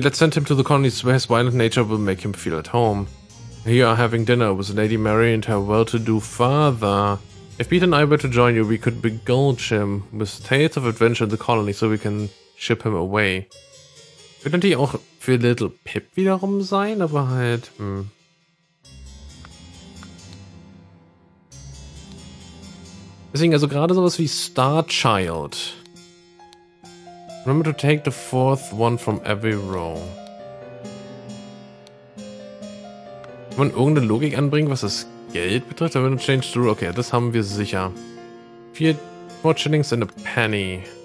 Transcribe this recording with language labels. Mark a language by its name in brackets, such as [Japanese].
[English] Let's send him to the colonies where his violent nature will make him feel at home. Here you are having dinner with Lady Mary and her well-to-do father. If Peter and I were to join you, we could begulch him with tales of adventure in the colony so we can ship him away. [German] Könnte natürlich auch für Little Pip wiederum sein, aber halt... Deswegen, also gerade sowas wie Starchild. [English] Remember to take the fourth one from every row. [German] Kann man irgendeine Logik anbringen, was das Geld betrifft? Aber wenn du [English] change the rule, [German] okay, das haben wir sicher. [English] 4 shillings and a penny.